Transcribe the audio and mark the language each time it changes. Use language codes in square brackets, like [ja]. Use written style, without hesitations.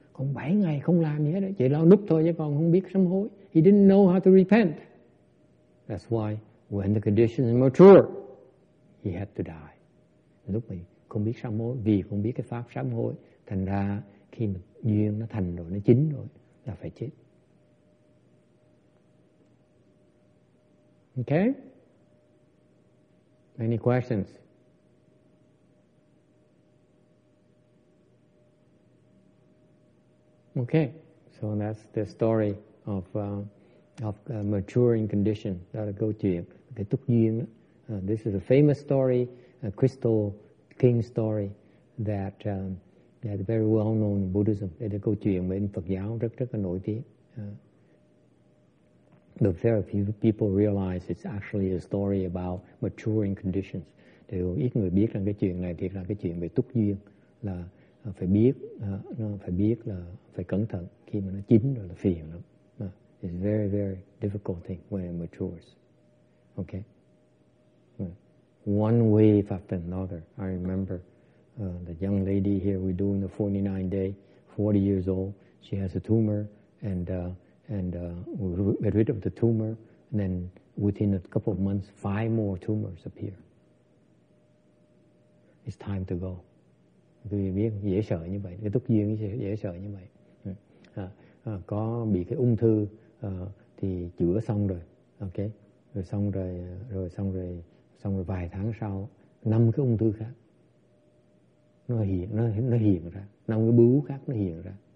[vi] Còn 7 ngày không làm gì hết, chỉ lo núp thôi chứ còn không biết sám hối. [en] He didn't know how to repent. That's why when the condition is mature, he had to die. [vi] Lúc mình không biết sám hối vì không biết cái pháp sám hối, thành ra khi mà duyên nó thành rồi, nó chín rồi là phải chết. [en] Okay? Any questions? Okay. So that's the story of maturing condition. That go to you. [vi] Cái túc duyên. [en] This is a famous story, a crystal king story that is very well known in Buddhism. [vi] Đây là câu chuyện bên Phật giáo rất rất là nổi tiếng. [en] But very few people realize it's actually a story about maturing conditions. [vi] Điều ít người biết rằng cái chuyện này thiệt là cái chuyện về túc duyên, là phải biết là phải cẩn thận khi mà nó chín rồi là phiền lắm. [en] It's very very difficult thing when it matures. Okay. One wave after another. I remember the young lady here, we're doing the 49-day, 40 years old. She has a tumor, and we get rid of the tumor. And then within a couple of months, 5 more tumors appear. It's time to go. [vi] Quý vị biết, dễ sợ như vậy. Cái túc duyên dễ sợ như vậy. Có bị cái ung thư thì chữa xong rồi. Okay. Rồi xong rồi vài tháng sau, 5 cái ung thư khác nó hiện ra, 5 cái bướu khác nó hiện ra.